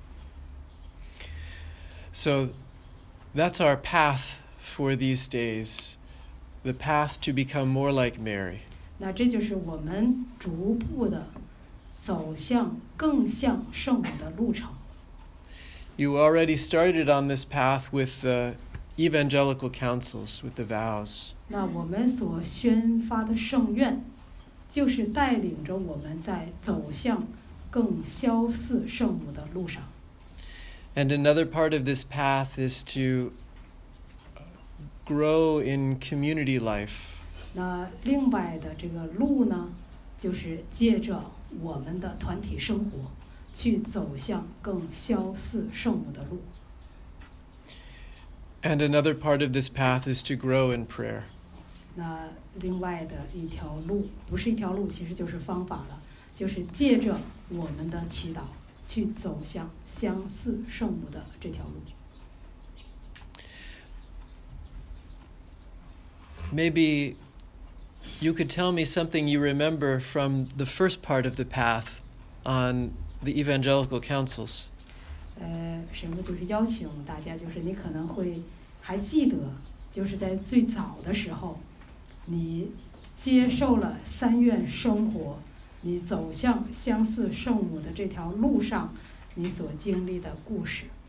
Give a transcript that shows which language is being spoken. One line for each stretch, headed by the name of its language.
Chinese: 逐步地走进我们更相似圣母的路程。
English: So that's our path for these days, the path to become more like Mary.
Chinese: 那这就是我们逐步地走向更像圣母的路程。
English: You already started on this path with the evangelical councils, with the vows.
Chinese: 那我们所宣发的圣愿就是带领着我们在走向更消似圣母的路上。
English: And another part of this path is to grow in community life.
Chinese: 那另外的这个路呢，就是借着我们的团体生活去走向更消似圣母的路。
English: And another part of this path is to grow in prayer.
Chinese: 那另外的一条路，不是一条路，其实就是方法了，就是借着我们的祈祷去走向相似圣母的这条路。
English: Maybe you could tell me something you remember from the first part of the path on the evangelical councils.
Chinese: 神父就是邀请大家，就是你可能会还记得，就是在最早的时候，你接受了三愿生活，你走向相似圣母的这条路上，你所经历的故事。